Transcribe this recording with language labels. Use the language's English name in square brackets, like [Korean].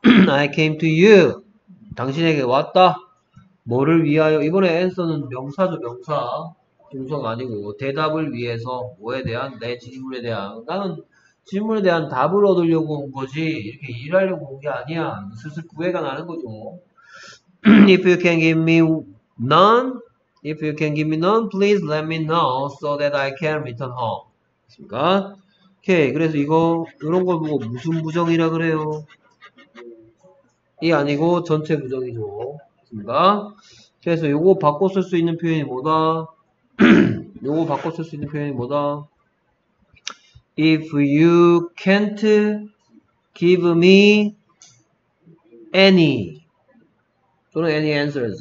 [English] I came to you. [Korean] 당신에게 왔다. 뭐를 위하여? 이번에 answer는 명사죠, 명사. 동사가 아니고 대답을 위해서 뭐에 대한 내 질문에 대한 나는 질문에 대한 답을 얻으려고 온 거지 이렇게 일하려고 온게 아니야 슬슬 구애가 나는 거죠. [English] If you can give me none, if you can give me none, please let me know so that I can return home. [Korean] 그렇습니까? 오케이 그래서 이거 이런 걸 보고 무슨 부정이라 그래요? 이 아니고 전체 부정이죠. 그렇습니까? 그래서 요거 바꿔 쓸수 있는 표현이 뭐다? 요거 바꿔 쓸수 있는 표현이 뭐다? [English] If you can't give me any 또는 any answers.